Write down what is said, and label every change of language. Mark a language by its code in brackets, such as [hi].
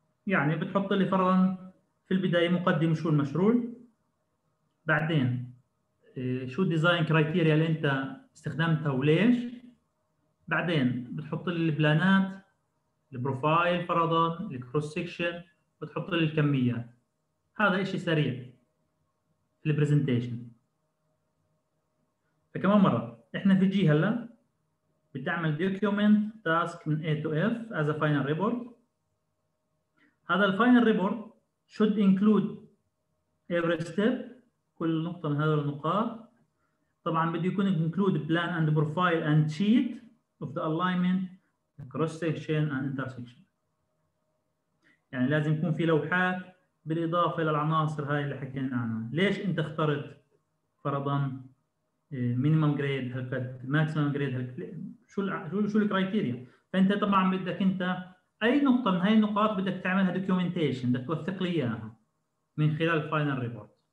[ar] يعني بتحط لي فرضا في البداية مقدمة شو المشروع، بعدين شو ديزاين كرايتيريا اللي انت استخدمتها وليش، بعدين بتحط لي البلانات، البروفايل فرضا، الكروس سيكشن، بتحط لي الكميات. هذا اشي سريع في البرزنتيشن. فكمان مرة، احنا في جي هلا بتعمل [en] document task [ar] من [en] A to F as a final report. [ar] هذا الفاينل ريبورت [en] should include every step، [ar] كل نقطة من هذول النقاط. طبعا بده يكون [en] include plan and profile and sheet of the alignment, the cross section and intersection. [ar] يعني لازم يكون في لوحات بالإضافة للعناصر هاي اللي حكينا عنها. ليش انت اخترت فرضا مينيمم جريد هالقد، ماكسيمم جريد هالقد، شو الكرايتيريا؟ فانت طبعا بدك انت اي نقطة من هاي النقاط بدك تعملها دوكيومنتيشن، بدك توثق لي اياها من خلال فاينل ريبورت.